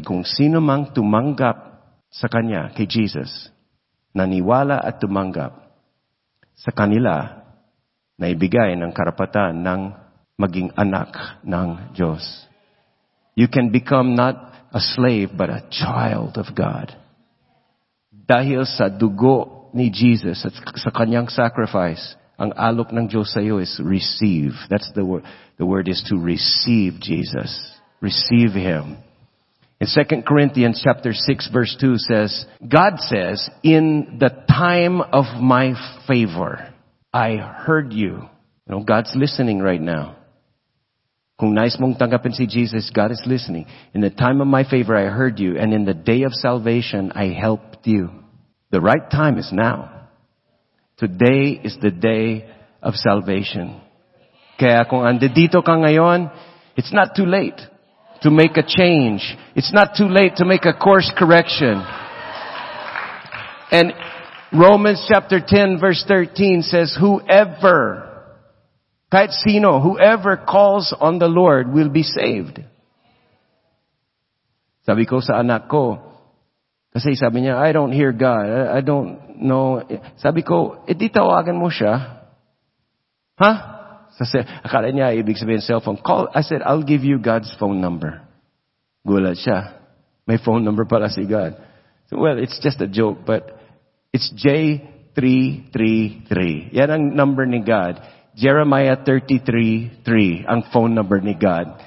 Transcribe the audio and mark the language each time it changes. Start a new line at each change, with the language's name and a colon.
Filipino: Kung sino mang tumanggap sa Kanya, kay Jesus, naniwala at tumanggap sa Kanila na ibigay ng karapatan ng maging anak ng Diyos.
English: You can become not a slave but a child of God.
Filipino: Dahil sa dugo ni Jesus at sa Kanyang sacrifice, ang alok ng Diyos sa iyo
English: is receive. That's the word. The word is to receive Jesus. Receive Him. In 2 Corinthians chapter 6 verse 2 says, God says, in the time of my favor, I heard you. You know, God's listening right now.
Filipino: Kung nais mong tanggapin si Jesus,
English: God is listening. In the time of my favor, I heard you. And in the day of salvation, I helped you. The right time is now. Today is the day of salvation.
Filipino: Kaya kung andito ka ngayon,
English: it's not too late to make a change. It's not too late to make a course correction. And Romans chapter 10 verse 13 says, whoever,
Filipino: kahit sino,
English: whoever calls on the Lord will be saved.
Filipino: Sabi ko sa anak ko, kasi sabi niya,
English: I don't hear God. I don't know.
Filipino: Sabi ko, eh, di tawagan mo siya. Huh? Sasa, akala niya, ibig sabihin cell phone.
English: Call, I said, I'll give you God's phone number.
Filipino: Gulat siya. May phone number pala si God.
English: So, well, it's just a joke, but it's J333.
Filipino: Yan ang number ni God. Jeremiah 33:3, ang phone number ni God.